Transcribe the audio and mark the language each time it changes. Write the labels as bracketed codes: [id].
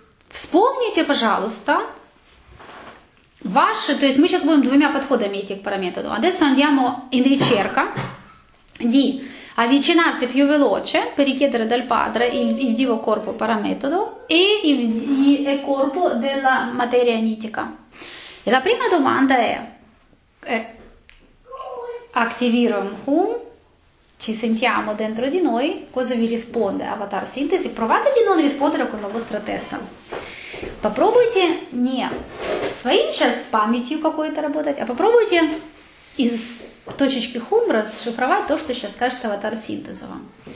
[ru] Вспомните, пожалуйста, ваши, то есть мы сейчас будем двумя подходами идти к параметоду. [it] Adesso andiamo in ricerca di avvicinarsi più veloce per richiedere dal padre il divo corpo parametodo e il corpo della materia nitica. E la prima domanda è, activiram hum, ci sentiamo dentro di noi, cosa vi risponde avatar sintesi? Provate di non rispondere con la vostra testa. [ru] Попробуйте не своим сейчас памятью какой-то работать, а попробуйте из точечки хум расшифровать то, что сейчас скажет аватар синтеза вам.